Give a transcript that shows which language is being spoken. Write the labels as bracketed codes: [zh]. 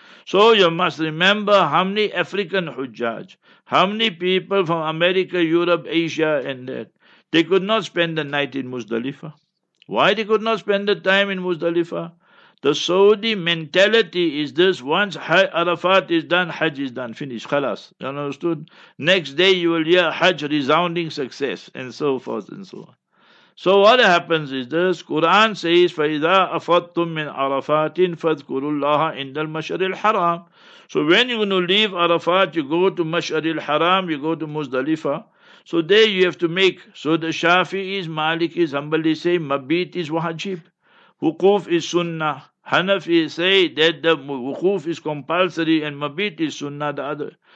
[en] So you must remember how many African Hajjaj, how many people from America, Europe, Asia and that, they could not spend the night in Muzdalifah. Why they could not spend the time in Muzdalifah? The Saudi mentality is this, once Arafat is done, Hajj is done, finished, khalas, you understood? Next day you will hear Hajj resounding success, and so forth and so on. So what happens is this, Quran says, [ar] فَإِذَا أَفَضْتُمْ مِنْ عَرَفَاتٍ فَذْكُرُوا اللَّهَ عِنْدَ الْمَشْعَرِ الْحَرَامِ. [en] So when you're going to leave Arafat, you go to Mash'aril Haram, you go to Muzdalifah. So there you have to make, so the Shafi'is, Maliki's, humbly say, Mabit is wajib. Wukuf is sunnah. Hanafi say that the wukuf is compulsory and mabit is sunnah, the other.